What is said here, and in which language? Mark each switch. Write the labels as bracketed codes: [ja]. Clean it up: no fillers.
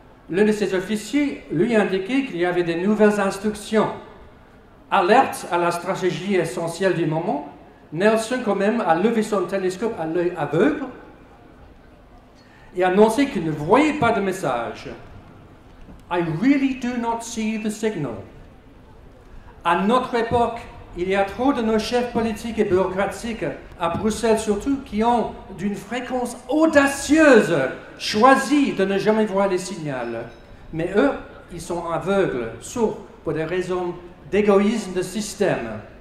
[fr] L'un de ses officiers lui indiquait qu'il y avait des nouvelles instructions. Alerte à la stratégie essentielle du moment, Nelson quand même a levé son télescope à l'œil aveugle et annoncé qu'il ne voyait pas de message. [en] I really do not see the signal. [fr] À notre époque, il y a trop de nos chefs politiques et bureaucratiques, à Bruxelles surtout, qui ont, d'une fréquence audacieuse, choisi de ne jamais voir les signaux. Mais eux, ils sont aveugles, sourds, pour des raisons d'égoïsme de système.